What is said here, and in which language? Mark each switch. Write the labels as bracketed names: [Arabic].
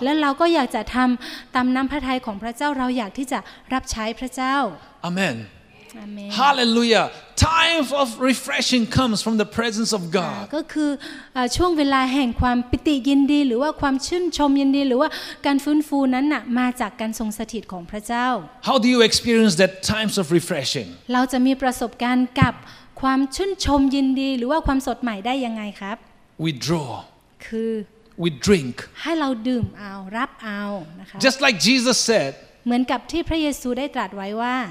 [Thai] แล้วเราก็อยากจะทำตามน้ำพระทัยของพระเจ้าเราอยากที่จะรับใช้พระเจ้า [English] Amen. Hallelujah. Time of refreshing comes from the presence of God. [Thai] ก็คือช่วงเวลาแห่งความปิติยินดีหรือว่าความชื่นชมยินดีหรือว่าการฟื้นฟูนั้นน่ะมาจากการทรงสถิตของพระเจ้า [English] How do you experience that times of refreshing? [Thai] เราจะมีประสบการณ์กับความชื่นชมยินดีหรือว่าความสดใหม่ได้ยังไงครับ [English] Withdraw. [Thai] คือ [English] We drink. [Thai] ให้เราดื่มเอารับเอานะคะ [English] Just like Jesus said. [Thai] เหมือนกับที่พระเยซูได้ตรัสไว้ว่า